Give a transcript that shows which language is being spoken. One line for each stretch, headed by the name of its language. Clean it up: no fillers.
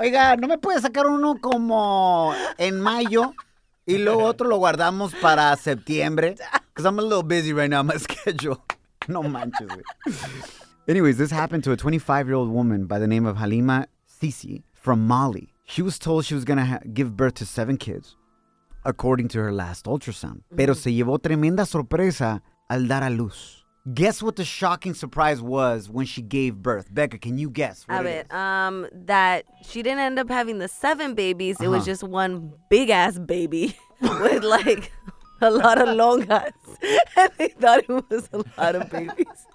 Spanish: Oiga, ¿no me puedes sacar uno como en mayo y luego otro lo guardamos para septiembre?
English: Because I'm a little busy right now on my schedule.
Spanish: No manches, güey.
English: Anyways, this happened to a 25-year-old woman by the name of Halima Sisi from Mali. She was told she was going to give birth to 7 kids, according to her last ultrasound. Mm-hmm.
Spanish: Pero se llevó tremenda sorpresa al dar a luz.
English: Guess what the shocking surprise was when she gave birth. Becca, can you guess what it is? That she didn't end up having the 7 babies. Uh-huh. It was just one big-ass baby with, like, a lot of long ass. And they thought it was a lot of babies.